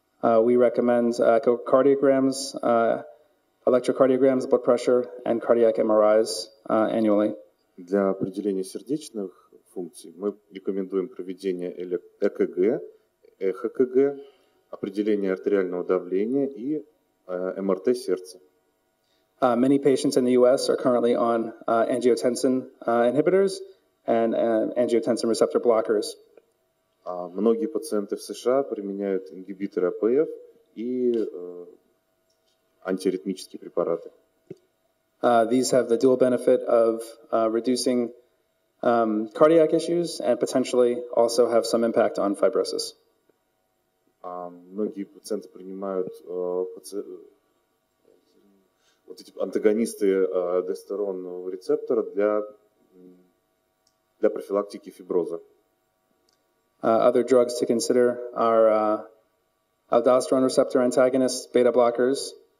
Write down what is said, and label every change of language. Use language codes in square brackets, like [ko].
[en] We recommend echocardiograms, electrocardiograms, blood pressure, and cardiac MRIs annually. [ru] Для определения сердечных функций мы рекомендуем проведение ЭКГ, ЭХКГ, определение артериального давления и МРТ сердца. [en] Many patients in the U.S. are currently on angiotensin inhibitors and angiotensin receptor blockers. [ru] Многие пациенты в США применяют ингибиторы АПФ и антиаритмические препараты. [en] These have the dual benefit of reducing cardiac issues and potentially also have some impact on fibrosis. [ru] Многие пациенты принимают вот эти антагонисты дестеронного рецептора для профилактики фиброза. [en] Other drugs to consider are aldosterone receptor antagonists, beta blockers.